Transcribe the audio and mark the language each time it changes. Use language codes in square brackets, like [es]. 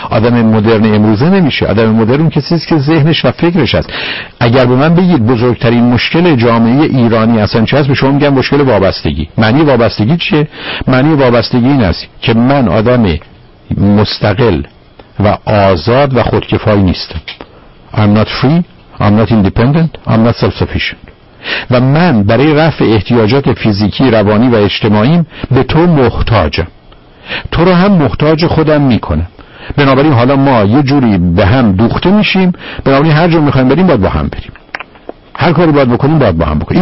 [fa] آدم مدرن امروزه نمیشه. آدم مدرن اون کسی است که ذهنش و فکرش هست. اگر به من بگید بزرگترین مشکل جامعه ایرانی اصلا چی هست، به شما میگم مشکل وابستگی. معنی وابستگی چیه؟ معنی وابستگی این است که من آدم مستقل و آزاد و خودکفایی نیستم. [en] I'm not free, I'm not independent, I'm not self-sufficient. [fa] و من برای رفع احتیاجات فیزیکی، روانی و اجتماعیم به تو محتاجم. تو رو هم محتاج خودم میکنم. بنابراین حالا ما یه جوری به هم دوخته میشیم. بنابراین هر جا میخوایم بریم باید با هم بریم. هر کاری باید بکنیم باید با هم بکنیم.